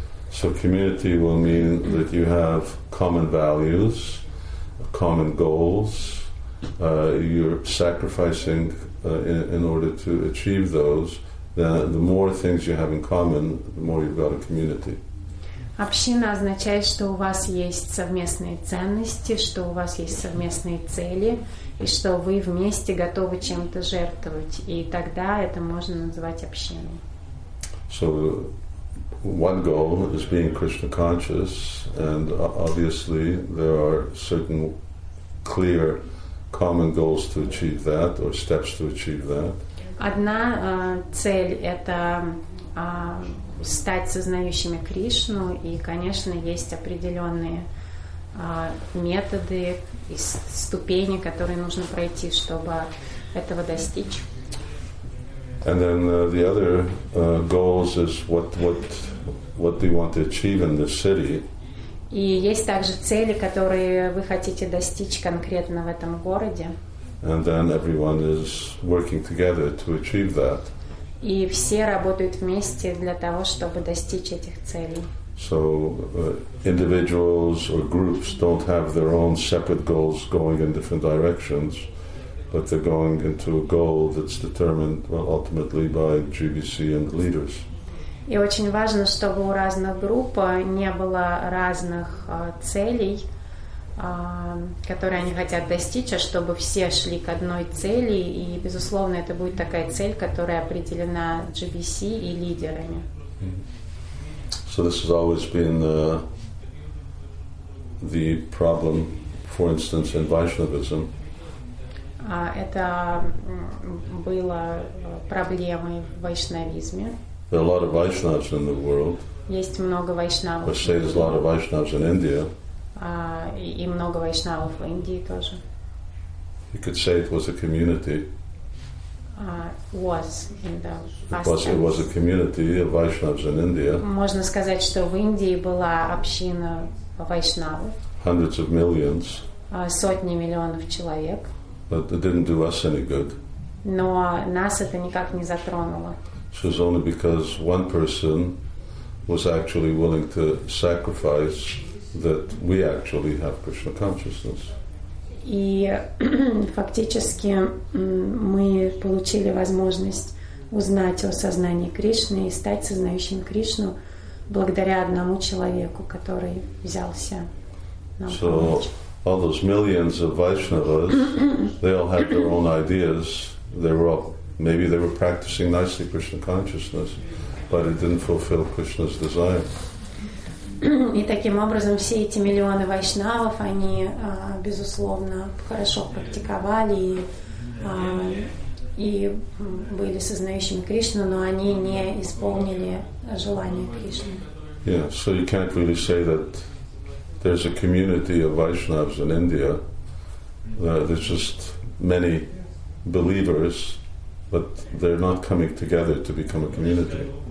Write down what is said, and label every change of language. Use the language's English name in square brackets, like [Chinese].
[English] So community will mean that you have common values, common goals. You're sacrificing in order to achieve those. Then the more things you have in common, the more you've got a community. [Russian] Община означает, что у вас есть совместные ценности, что у вас есть совместные цели, и что вы вместе готовы чем-то жертвовать. И тогда это можно называть общиной. [English] So one goal is being Krishna conscious, and obviously there are certain clear common goals to achieve that, or steps to achieve that. [Russian] Одна цель — это стать сознающими Кришну, и, конечно, есть определенные методы и ступени, которые нужно пройти, чтобы этого достичь. [English] And then the other goals is what do you want to achieve in this city? [Russian] И есть также цели, которые вы хотите достичь конкретно в этом городе. [English] And then everyone is working together to achieve that. [Russian] И все работают вместе для того, чтобы достичь этих целей. [English] So individuals or groups don't have their own separate goals going in different directions, but they're going into a goal that's determined, well, ultimately by GBC and the leaders. [Russian] И очень важно, чтобы у разных групп не было разных целей, которые они хотят достичь, а чтобы все шли к одной цели, и, безусловно, это будет такая цель, которая определена GBC и лидерами. [English] So this has always been the problem, for instance, in Vaishnavism. [Russian] Это было проблемой в вайшнавизме. [English] There are a lot of Vaishnavas in the world. [Russian] Есть много вайшнавов. [English] Let's say there's a lot of Vaishnavas in India. [Russian] И много вайшнавов в Индии тоже. [English] You could say it was a community. Was in the past. It was a community of Vaishnavas in India. [Russian] Можно сказать, что в Индии была община вайшнавов. [English] Hundreds of millions. [Russian] Сотни миллионов человек. [English] But it didn't do us any good. [Russian] Но нас это никак не затронуло. [English] So it's only because one person was actually willing to sacrifice that we actually have Krishna consciousness. И фактически мы получили возможность узнать о сознании Кришны и стать сознающим Кришну благодаря одному человеку, который взялся нам [Russian] помочь. [English] So all those millions of Vaishnavas, they all had their own ideas. They were all, maybe they were practicing nicely Krishna consciousness, but it didn't fulfill Krishna's desire. [Russian] И таким образом все эти миллионы вайшнавов, они безусловно хорошо практиковали и были сознающими Кришну, но они не исполнили желание Кришны. [English] Yeah, so you can't really say that there's a community of Vaishnavas in India. There's just many believers, but they're not coming together to become a community.